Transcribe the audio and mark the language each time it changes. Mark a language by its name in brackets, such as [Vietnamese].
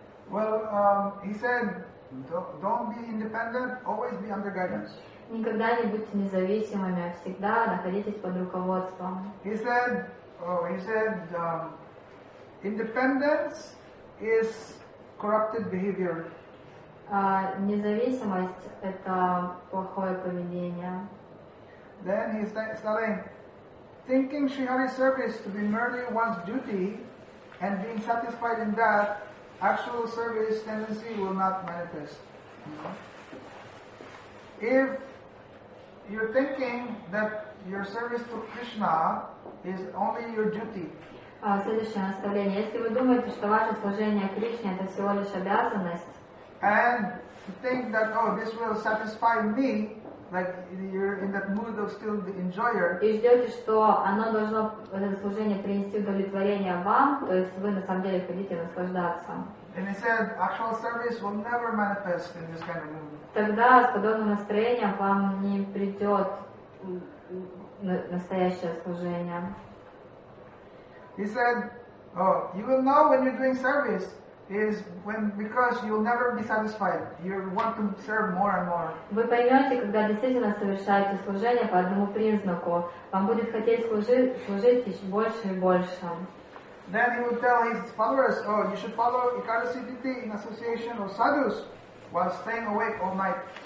[English] Well, he said, don't be independent, always be under guidance. [Russian] Никогда не будьте независимыми, всегда находитесь под руководством. [English] He said, independence is corrupted behavior. [Russian] Независимость – это плохое поведение. [English] Then he started thinking Srihari service to be merely one's duty. And being satisfied in that, actual service tendency will not manifest. If you're thinking that your service to Krishna is only your duty, [Russian] следующее наставление. Если вы думаете, что ваше служение Кришне это всего лишь обязанность, [English] and you think that oh, this will satisfy me, like you're in that mood of still the enjoyer. [Russian] И ждете, что оно должно это служение принести удовлетворение вам, то есть вы на самом деле хотите наслаждаться. [English] And he said, actual service will never manifest in this kind of mood. [Russian] Тогда с подобным настроением вам не придет настоящее служение. [English] He said, oh, you will know when you're doing service. Is when because you'll never be satisfied. You want to serve more and more. [Russian] Вы поймете, когда действительно совершаете служение по одному признаку, вам будет хотеть служить еще больше и больше. [English] Then he would tell his followers, "Oh, you should follow Ekadasi Tithi in association of sadhus while staying awake all night."